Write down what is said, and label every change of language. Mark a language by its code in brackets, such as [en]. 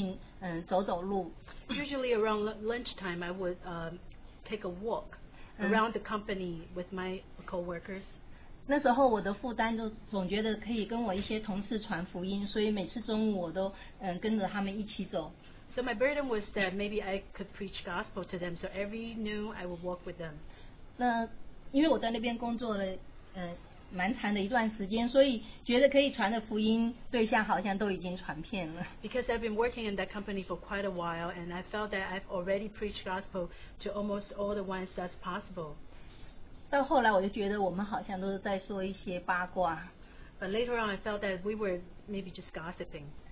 [zh] 一般我中午午餐的时间，我会跟我的一些同事一起在我的公司附近走走路。 [en] Usually around lunchtime, I would take a walk around the company with my coworkers. [zh] 那时候我的负担就总觉得可以跟我一些同事传福音，所以每次中午我都跟着他们一起走。 [en] So my burden was that maybe I could preach gospel to them. So every noon I would walk with them. [zh] 那因为我在那边工作了蛮长的一段时间，所以觉得可以传的福音对象好像都已经传遍了。 [en] Because I've been working in that company for quite a while, and I felt that I've already preached gospel to almost all the ones that's possible. [zh] 到后来我就觉得我们好像都是在说一些八卦。 [en] But later on, I felt that we were maybe just gossiping.